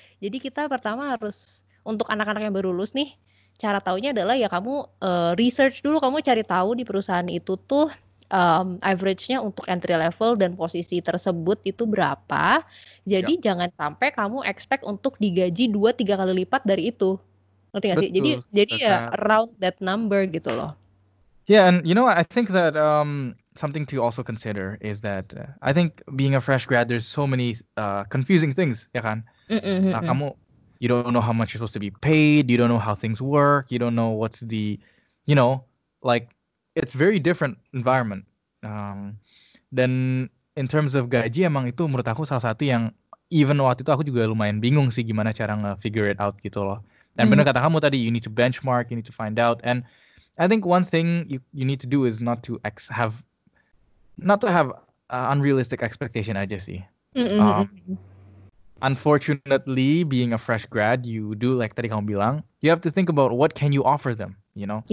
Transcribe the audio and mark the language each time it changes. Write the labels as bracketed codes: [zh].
[id] Jadi kita pertama harus, untuk anak-anak yang baru lulus nih, cara taunya adalah ya kamu research dulu, kamu cari tahu di perusahaan itu tuh average-nya untuk entry level dan posisi tersebut itu berapa. Jadi jangan sampai kamu [en] expect [id] untuk digaji 2-3 kali lipat dari itu. Ngerti gak sih? Betul. Jadi ya around that number gitu loh. [en] Yeah, and you know, I think that something to also consider is that I think being a fresh grad, there's so many confusing things, [id] ya kan? Mm-hmm. Kamu, [en] you don't know how much you're supposed to be paid, you don't know how things work, you don't know what's the, you know, like, it's very different environment. [id] Dan [en] in terms of [id] gaji, emang itu menurut aku salah satu yang, [en] even [id] waktu itu aku juga lumayan bingung sih gimana cara nge- [en] figure it out [id] gitu loh. Dan benar kata kamu tadi, [en] you need to benchmark, you need to find out, and I think one thing you need to do is not to have unrealistic expectation [id] aja sih. [en] Unfortunately, being a fresh grad, you do, like [id] tadi kamu bilang, [en] you have to think about what can you offer them, you know?